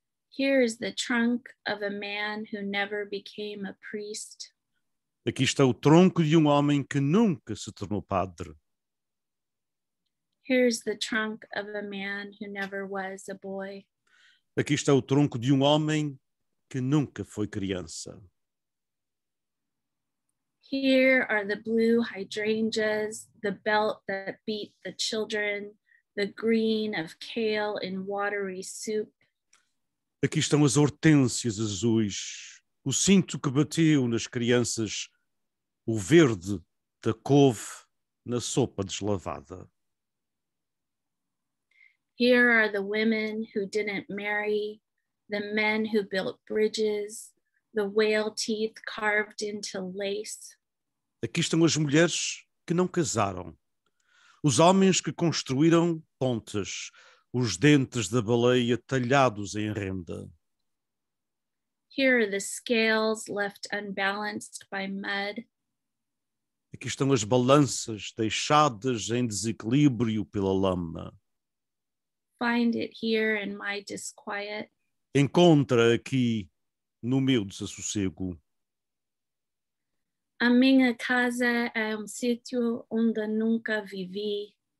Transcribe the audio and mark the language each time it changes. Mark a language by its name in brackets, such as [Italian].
[English] Here is the trunk of a man who never became a priest. [Portuguese] Aqui está o tronco de homem que nunca se tornou padre. [English] Here's the trunk of a man who never was a boy. [Portuguese] Aqui está o tronco de homem que nunca foi criança. [English] Here are the blue hydrangeas, the belt that beat the children, the green of kale in watery soup. [Portuguese] Aqui estão as hortênsias azuis, o cinto que bateu nas crianças, o verde da couve na sopa deslavada. [English] Here are the women who didn't marry, the men who built bridges, the whale teeth carved into lace. [Portuguese] Aqui estão as mulheres que não casaram, os homens que construíram pontes, os dentes da baleia talhados em renda. [English] Here are the scales left unbalanced by mud. [Portuguese] Aqui estão as balanças deixadas em desequilíbrio pela lama. [English] Find it here in my disquiet. [Portuguese] Encontra aqui no meu desassossego. A minha casa é sítio onde nunca vivi.